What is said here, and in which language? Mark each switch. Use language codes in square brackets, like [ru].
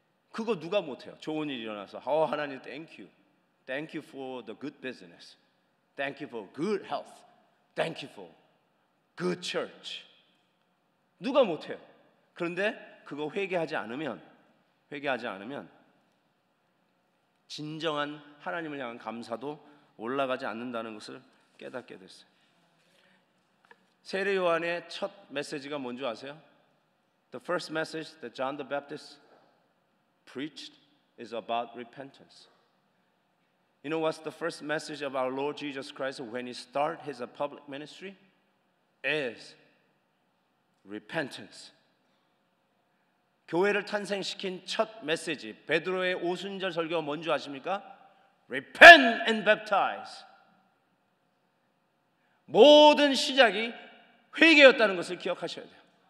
[ko] 그거 누가 못해요? 좋은 일이 일어나서 [en] oh, 하나님 땡큐, thank you for the good business, thank you for good health, thank you for good church. [ko] 누가 못해요? 그런데 그거 회개하지 않으면 진정한 하나님을 향한 감사도 올라가지 않는다는 것을 깨닫게 됐어요. 세례 요한의 첫 메시지가 뭔지 아세요? [en] The first message that John the Baptist preached is about repentance. You know what's the first message of our Lord Jesus Christ when he started his public ministry? Is repentance. [ko] 교회를 탄생시킨 첫 메시지, 베드로의 오순절 설교가 뭔지 아십니까? [en] Repent and baptize. [ko] 모든 시작이 회개였다는 것을 기억하셔야 돼요.